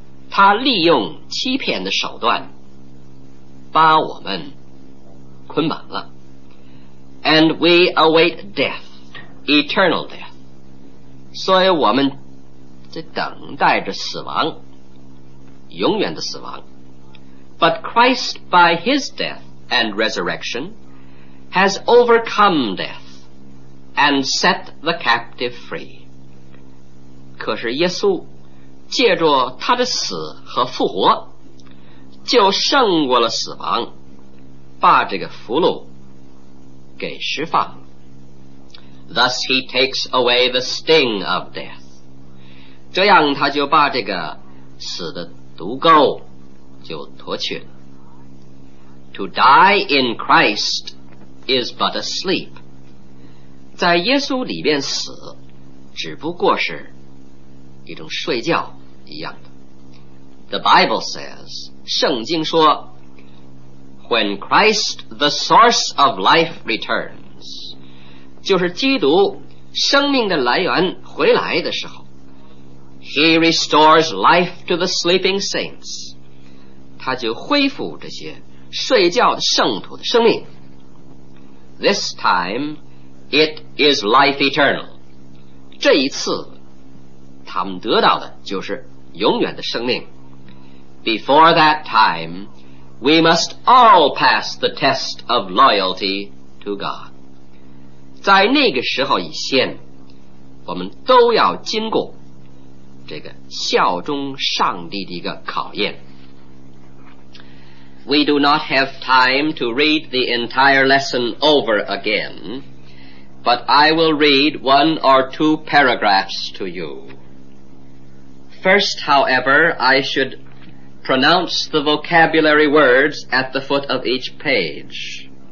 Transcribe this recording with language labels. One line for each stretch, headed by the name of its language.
Chinese: 他利用欺骗的手段把我们捆绑了。
English: And we await death, eternal death.
Chinese: 所以我们在等待着死亡，永远的死亡。
English: But Christ, by his death and resurrection, has overcome death and set the captive free.
Chinese: 可是耶稣借着他的死和复活，就胜过了死亡，把这个俘虏给释放。
English: Thus he takes away the sting of death.
Chinese: 这样他就把这个死的毒钩就脱去了。
English: To die in Christ is but a sleep.
Chinese: 在耶稣里面死只不过是一种睡觉一样的。
English: The Bible says,
Chinese: 圣经说，
English: When Christ, the source of life, returns,
Chinese: 就是基督生命的来源回来的时候，
English: He restores life to the sleeping saints,
Chinese: 他就恢复这些睡觉的圣徒的生命。
English: This time, it is life eternal.
Chinese: 这一次他们得到的就是永远的生命。
English: Before that time, we must all pass the test of loyalty to God.
Chinese: 在那个时候以前，我们都要经过这个效忠上帝的一个考验。
English: We do not have time to read the entire lesson over again, but I will read one or two paragraphs to you. First, however, I should pronounce the vocabulary words at the foot of each page.